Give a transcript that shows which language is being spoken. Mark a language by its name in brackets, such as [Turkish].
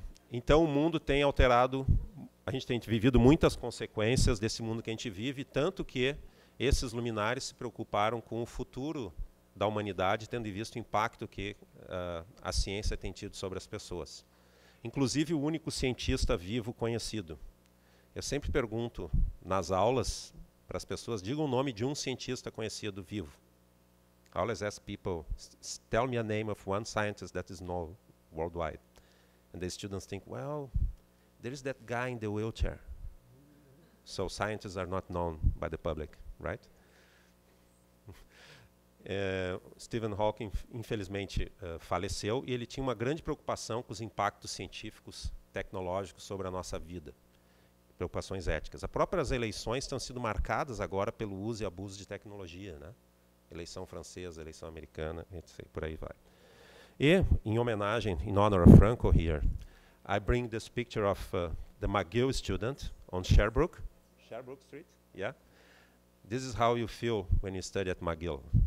[Portuguese] Então, o mundo tem alterado, a gente tem vivido muitas consequências desse mundo que a gente vive, tanto que esses luminares se preocuparam com o futuro da humanidade, tendo em vista o impacto que a ciência tem tido sobre as pessoas. Inclusive, o único cientista vivo conhecido. Eu sempre pergunto nas aulas para as pessoas, diga o nome de um cientista conhecido vivo. [English] I always ask people, tell me a name of one scientist that is known worldwide. And the students think, well, there is that guy in the wheelchair. So scientists are not known by the public, right? [Portuguese] Stephen Hawking, infelizmente, faleceu, e ele tinha uma grande preocupação com os impactos científicos, tecnológicos sobre a nossa vida. Preocupações éticas. As próprias eleições estão sendo marcadas agora pelo uso e abuso de tecnologia, né? Eleição francesa, eleição americana, etc. Por aí vai. E, em homenagem, [English] in honor of Franco here, I bring this picture of the McGill student on Sherbrooke Street. Yeah, this is how you feel when you study at McGill.